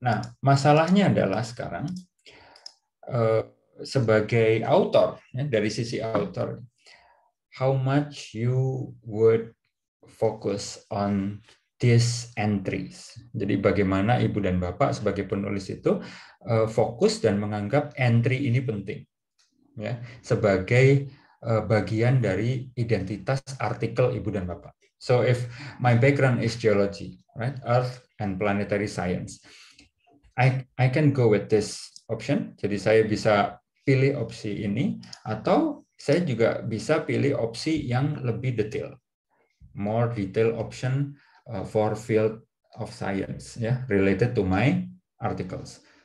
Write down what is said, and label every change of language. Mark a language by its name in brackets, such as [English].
[Indonesian] Nah, masalahnya adalah sekarang sebagai author, ya, dari sisi author, [English] how much you would focus on these entries. [Indonesian] Jadi bagaimana Ibu dan Bapak sebagai penulis itu fokus dan menganggap entry ini penting, ya, sebagai bagian dari identitas artikel Ibu dan Bapak. [English] So if my background is geology, right, earth and planetary science, I can go with this option. [Indonesian] Jadi saya bisa pilih opsi ini atau saya juga bisa pilih opsi yang lebih detail, [English] more detail option for field of science, yeah, related to my articles.